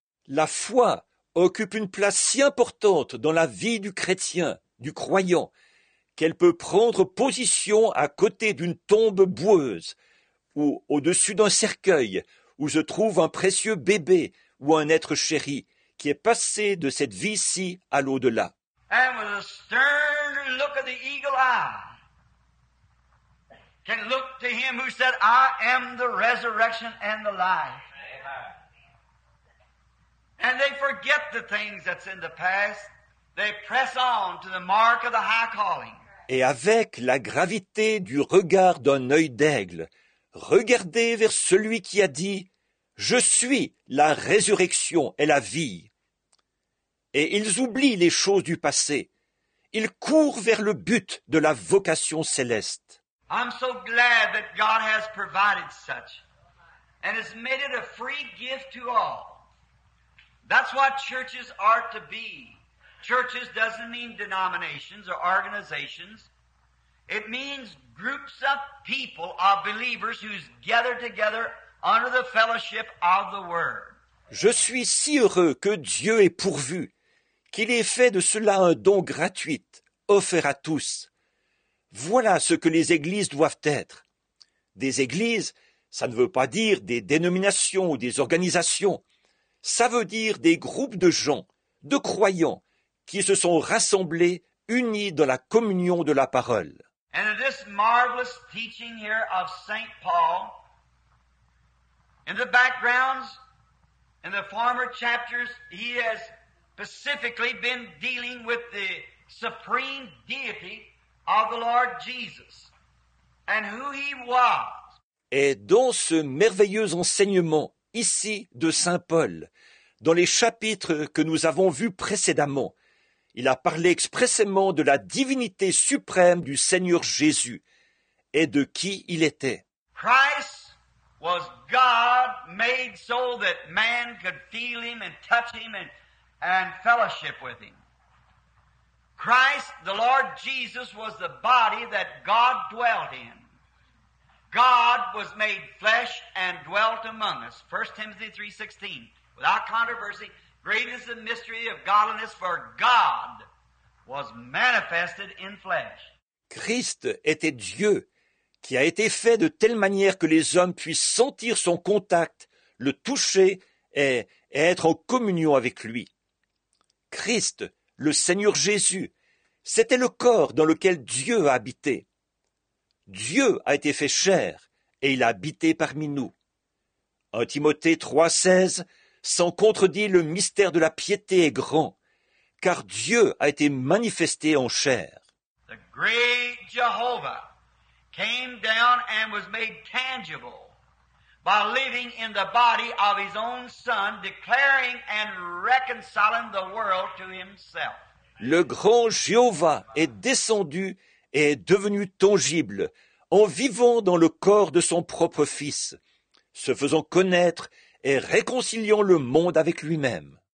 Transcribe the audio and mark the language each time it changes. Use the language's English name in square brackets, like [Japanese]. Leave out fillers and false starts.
[French] La foi occupe une place si importante dans la vie du chrétien, du croyant, qu'elle peut prendre position à côté d'une tombe boueuse, ou au-dessus d'un cercueil, où se trouve un précieux bébé ou un être chéri, qui est passé de cette vie-ci à l'au-delà. [English] And with a stern look of the eagle eye, can look to him who said, I am the resurrection and the life. Amen. And they forget the things that's in the past. They press on to the mark of the high calling. [French] Et avec la gravité du regard d'un œil d'aigle, regardez vers celui qui a dit, je suis la résurrection et la vie. Et ils oublient les choses du passé. Ils courent vers le but de la vocation céleste. [English] I'm so glad that God has provided such and has made it a free gift to all. That's what churches are to be. Churches doesn't mean denominations or organizations. It means groups of people, of believers, who's gathered together under the fellowship of the Word. [French] Je suis si heureux que Dieu ait pourvu qu'il ait fait de cela un don gratuit, offert à tous. Voilà ce que les églises doivent être. Des églises, ça ne veut pas dire des dénominations ou des organisations. Ça veut dire des groupes de gens, de croyants, qui se sont rassemblés, unis dans la communion de la parole. [English] And in this marvelous teaching here of Saint Paul, in the backgrounds, in the former chapters, he has specifically been dealing with the supreme deity of the Lord Jesus and who he was. [French] Et dans ce merveilleux enseignement ici de Saint Paul, dans les chapitres que nous avons vus précédemment, il a parlé expressément de la divinité suprême du Seigneur Jésus et de qui il était. [English] Christ was God made so that man could feel him and touch him and and fellowship with him. Christ, the Lord Jesus, was the body that God dwelt in. God was made flesh and dwelt among us. 1 Timothy 3:16. Without controversy, great is the mystery of godliness, for God was manifested in flesh. [French] Christ était Dieu, qui a été fait de telle manière que les hommes puissent sentir son contact, le toucher et être en communion avec lui. Christ, le Seigneur Jésus, c'était le corps dans lequel Dieu a habité. Dieu a été fait chair et il a habité parmi nous. 1 Timothée 3:16 s'en contredit, le mystère de la piété est grand, car Dieu a été manifesté en chair. [English] The great Jehovah came down and was made tangible by living in the body of his own son, declaring and reconciling the world to himself. [French] Le grand Jéhovah est descendu et est devenu tangible en vivant dans le corps de son propre fils, se faisant connaître et réconciliant le monde avec lui-même.